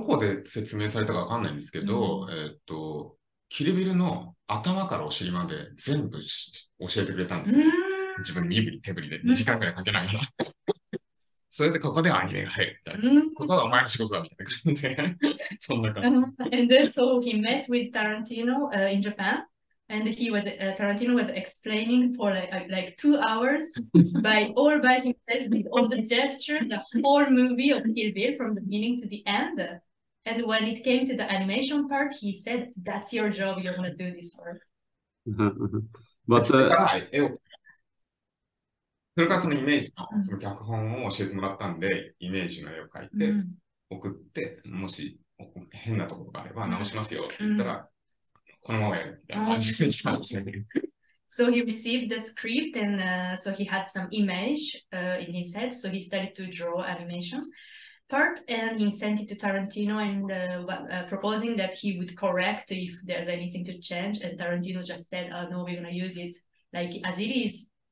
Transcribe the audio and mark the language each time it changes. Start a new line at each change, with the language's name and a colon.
Japanese: それで、どこで説明されたかわかんないんですけど、キルビルの頭からお尻まで全部教えてくれたんですよ。自分身振り手振りで2時間くらいかけながら。それでここでアニメが入るみたいな。ここがお前の仕事だみたいな感じで。そんな感じ。
English: And then, so he met with Tarantino, in Japan. And he was, Tarantino was explaining for like 2 hours by himself with all the gestures, the whole movie of Kill Bill from the beginning to the end. And when it came to the animation part, he said, that's your job, you're going to do this work. But,
Japanese: それからそのイメージの、その脚本を教えてもらったんで、イメージの絵を描いて、送って、もし変なところがあれば直しますよって言ったら、このままやるみたいな感じでしたんですよね。
English: So he received the script and so he had some image in his head, so he started to draw animation. Part and he sent it to Tarantino and proposing that he would correct if there's anything to change. And Tarantino just said, "Oh no, we're gonna use it like as it is."